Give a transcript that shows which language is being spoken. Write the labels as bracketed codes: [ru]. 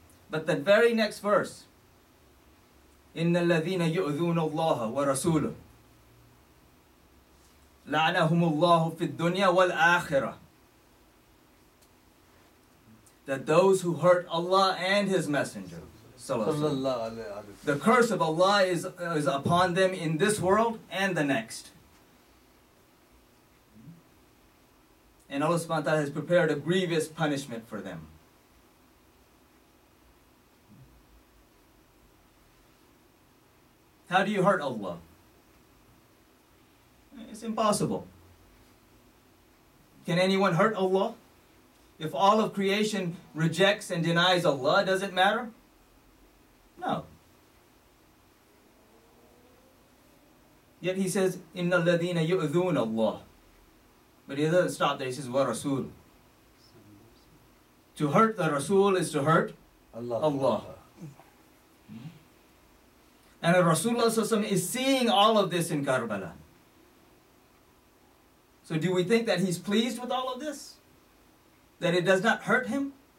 [en] But the very next verse, [ar] إِنَّ الَّذِينَ يُؤْذُونَ اللَّهَ وَرَسُولُهُ لَعْنَهُمُ اللَّهُ فِي الدُّنْيَا وَالْآخِرَةِ. [en] That those who hurt Allah and His Messenger, the curse of Allah is upon them in this world and the next. And Allah subhanahu wa ta'ala has prepared a grievous punishment for them. How do you hurt Allah? It's impossible. Can anyone hurt Allah? If all of creation rejects and denies Allah, does it matter? No. Yet he says, [ar] إِنَّ الَّذِينَ يُؤْذُونَ اللَّهُ. [en] But he doesn't stop there. He says, [ar] وَرَسُولُ. [en] To hurt the Rasul is to hurt Allah. And the Rasulullah is seeing all of this in Karbala. So do we think that he's pleased with all of this? That it does not hurt him?